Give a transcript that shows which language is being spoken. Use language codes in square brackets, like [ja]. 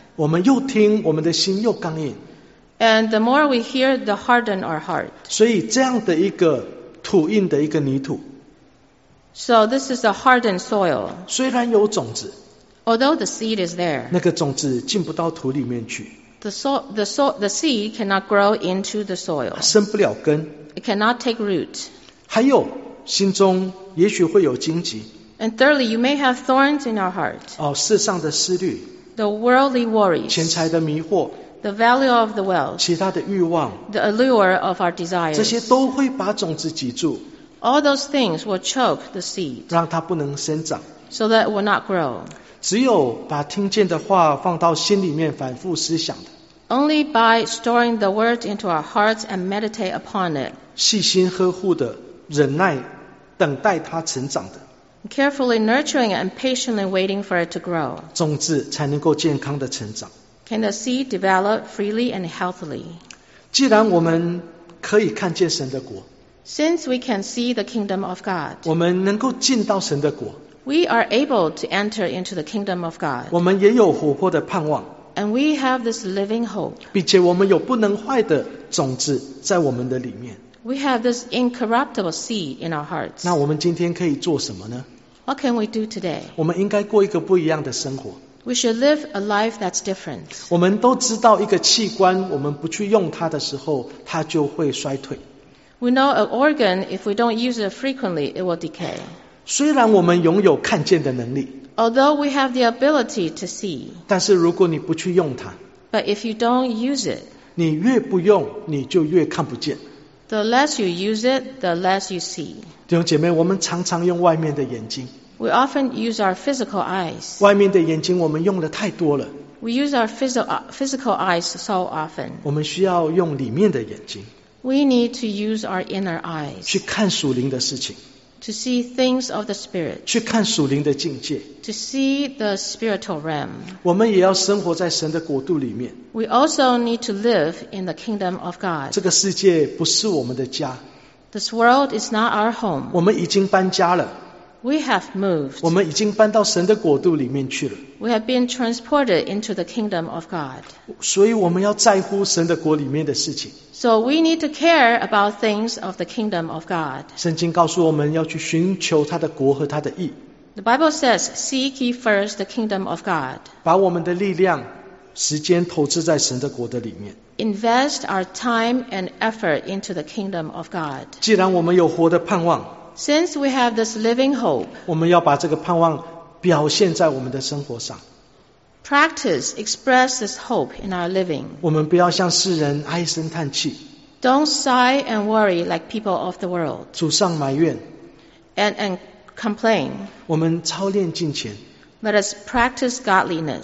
[zh] 我们又听，我们的心又刚硬。 [en] And the more we hear, the harden our heart. [zh] 所以这样的一个土印的一个泥土。 [en] So this is a hardened soil. [zh] 虽然有种子。 [en] Although the seed is there. [zh] 那个种子进不到土里面去。 [en] The seed cannot grow into the soil. [zh] 生不了根。 [en] It cannot take root. [zh] 还有，心中也许会有荆棘。 [en] And thirdly, you may have thorns in your heart. [zh] 哦，世上的思虑。 [en] The worldly worries. [zh] 钱财的迷惑。 [en] The value of the wealth. [zh] 其他的欲望。 [en] The allure of our desires. [zh] 这些都会把种子挤住。 [en] All those things will choke the seed. [zh] 让它不能生长。 [en] So that it will not grow. [zh] 只有把听见的话放到心里面反复思想的。 [en] Only by storing the word into our hearts and meditate upon it. [zh] 细心呵护的，忍耐，等待它成长的。 [en] Carefully nurturing and patiently waiting for it to grow. [zh] 种子才能够健康的成长。 [en] Can the seed develop freely and healthily? [zh] 既然我们可以看见神的国。 [en] Since we can see the kingdom of God. [zh] 我们能够进到神的国。 [en] We are able to enter into the kingdom of God. [zh] 我们也有活泼的盼望。 [en] And we have this living hope. [zh] 并且我们有不能坏的种子在我们的里面。 [en] We have this incorruptible seed in our hearts. [zh] 那我们今天可以做什么呢？ [en] What can we do today? [zh] 我们应该过一个不一样的生活。 [en] We should live a life that's different. [zh] 我们都知道一个器官，我们不去用它的时候，它就会衰退。 [en] We know an organ, if we don't use it frequently, it will decay. [zh] 虽然我们拥有看见的能力。 [en] Although we have the ability to see. [zh] 但是如果你不去用它。 [en] But if you don't use it. [zh] 你越不用，你就越看不见。 [en] The less you use it, the less you see. [zh] 弟兄姐妹，我们常常用外面的眼睛。 [en] We often use our physical eyes. [zh] 外面的眼睛我们用的太多了。 [en] We use our physical eyes so often. [zh] 我们需要用里面的眼睛。 [en] We need to use our inner eyes. [zh] 去看属灵的事情。 [en] To see things of the spirit. [zh] 去看属灵的境界。 [en] To see the spiritual realm. [zh] 我们也要生活在神的国度里面。 [en] We also need to live in the kingdom of God. [zh] 这个世界不是我们的家。 [en] This world is not our home. [zh] 我们已经搬家了。 [en] We have moved. [zh] 我们已经搬到神的国度里面去了。 [en] We have been transported into the kingdom of God. [zh] 所以我们要在乎神的国里面的事情。 [en] So we need to care about things of the kingdom of God. [zh] 圣经告诉我们要去寻求他的国和他的义。 [en] The Bible says, seek ye first the kingdom of God. [zh] 把我们的力量、时间投资在神的国的里面。 [en] Invest our time and effort into the kingdom of God. [zh] 既然我们有活的盼望。 [en] Since we have this living hope. [zh] 我们要把这个盼望表现在我们的生活上。 [en] Practice express this hope in our living. [zh] 我们不要像世人唉声叹气。 [en] Don't sigh and worry like people of the world. [zh] 祖上埋怨。 [en] And complain. [zh] 我们操练敬虔。 [en] Let us practice godliness.